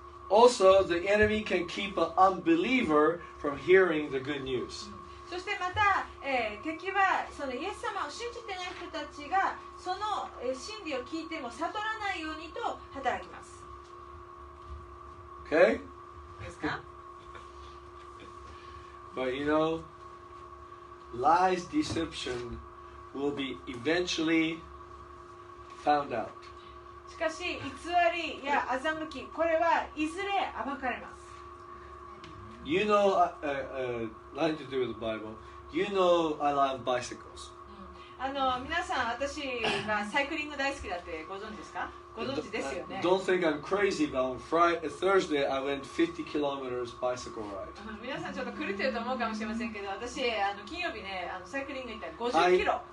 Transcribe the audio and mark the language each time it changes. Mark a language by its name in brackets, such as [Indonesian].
[English] Also, the enemy can keep an unbeliever from hearing the good news. [Japanese] そしてまた、敵はそのイエス様を信じてない人たちがその、真理を聞いても悟らないようにと働きます。 [English] Okay? [Japanese] ですか? [English] But you know, lies, deception will be eventually found out. [Japanese] しかし偽りや欺きこれはいずれ暴かれます。 [English] You know, nothing to do with the Bible. You know, I love bicycles. [Japanese] 皆さん私がサイクリング大好きだってご存知ですか？ご存知ですよね。 [English] Don't think I'm crazy, but on Friday, Thursday, I went 50 kilometers bicycle ride. [Japanese] 皆さんちょっと狂ってると思うかもしれませんけど、私金曜日ね、サイクリング行ったら50キロ。